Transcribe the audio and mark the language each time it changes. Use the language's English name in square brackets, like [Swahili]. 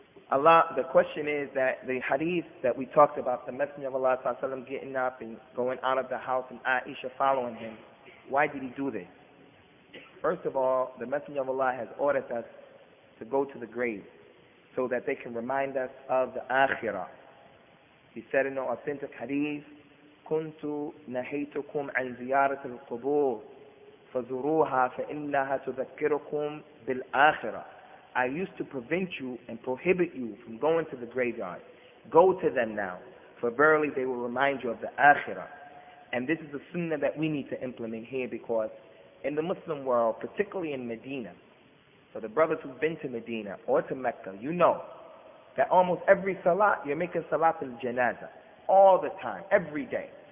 [English] Allah, the question is that the hadith that we talked about, the Messenger of Allah Sallallahu Alaihi Wasallam getting up and going out of the house and Aisha following him, why did he do this? First of all, the Messenger of Allah has ordered us to go to the grave so that they can remind us of the Akhirah. He said in the authentic hadith, [Arabic] كُنْتُ نَهَيْتُكُمْ عَنْ زِيَارَةِ الْقُبُورِ فَزُرُوهَا فَإِنَّهَا تُذَكِّرُكُمْ بِالْآخِرَةِ. [English] I used to prevent you and prohibit you from going to the graveyard. Go to them now, for verily they will remind you of the Akhirah. And this is the sunnah that we need to implement here, because in the Muslim world, particularly in Medina, for the brothers who've been to Medina or to Mecca, you know that almost every salat, you're making salat al-janazah all the time, every day.